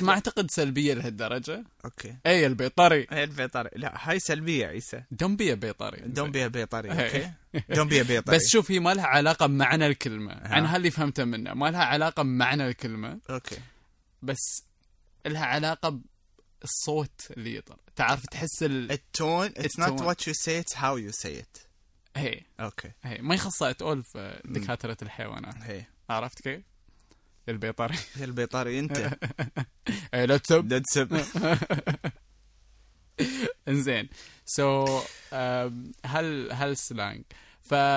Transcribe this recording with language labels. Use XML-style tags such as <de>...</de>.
<ar>بس ما أعتقد سلبية لهالدرجة</ar> <en>okay</en> <ar>أي البيطري أي البيطري لا هاي سلبية عيسى</ar> <en>don't be a بيطري don't be a بيطري okay don't be a بيطري</en> <ar>بس شوف هي ما لها علاقة بمعنى الكلمة أنا هاللي فهمته منها ما لها علاقة بمعنى الكلمة</ar> <en>okay</en> <ar>بس لها علاقة الصوت اللي يطلع تعرف تحس ال</ar> <en>التone it's not what you say it's how you say it</en> <ar>هي</ar> <en>okay</en> <ar>هي ما يخصها تقول في دكاترة الحيوانات هي عرفت كيف البيطري البيطري أنت لا تسب إنزين so هل سلانج ف</ar>